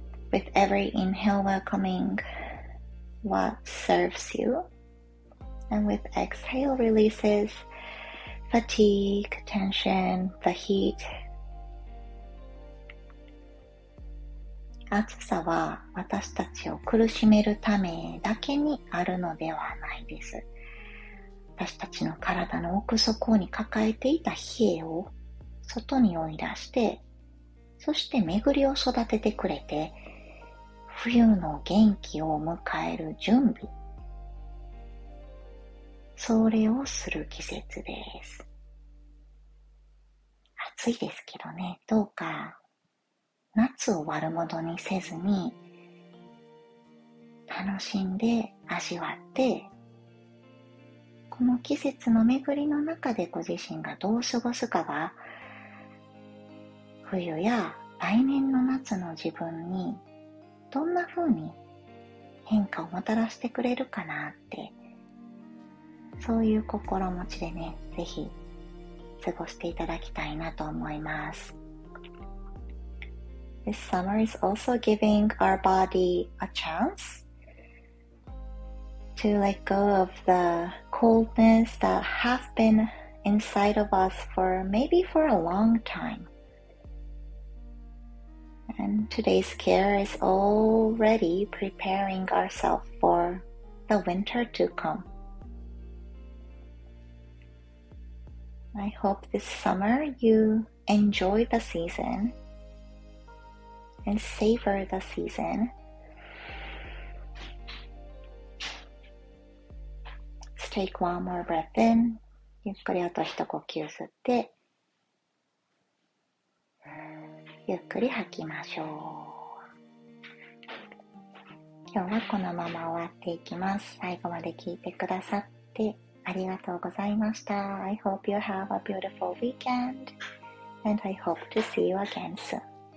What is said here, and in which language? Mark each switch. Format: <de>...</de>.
<en>With every inhale welcoming what serves you, and with exhale releases fatigue, tension, the heat.</en> <ja>暑さは私たちを苦しめるためだけにあるのではないです。私たちの体の奥底に抱えていた冷えを外に追い出して、そして巡りを育ててくれて、冬の元気を迎える準備、それをする季節です。暑いですけどね、どうか夏を悪者にせずに楽しんで味わって、この季節の巡りの中でご自身がどう過ごすかが冬や来年の夏の自分にどんな風に変化をもたらしてくれるかなって、そういう心持ちでね、ぜひ過ごしていただきたいなと思います。</ja> <en>This summer is also giving our body a chance to let go of the coldness that has been inside of us for maybe for a long time. And today's care is already preparing ourselves for the winter to come. I hope this summer you enjoy the season and savor the season. Let's take one more breath in.</en> <ja>ゆっくりあと一呼吸吸って、ゆっくり吐きましょう。今日はこのまま終わっていきます。最後まで聞いてくださってありがとうございました。</ja> <en>I hope you have a beautiful weekend, and I hope to see you again soon.</en>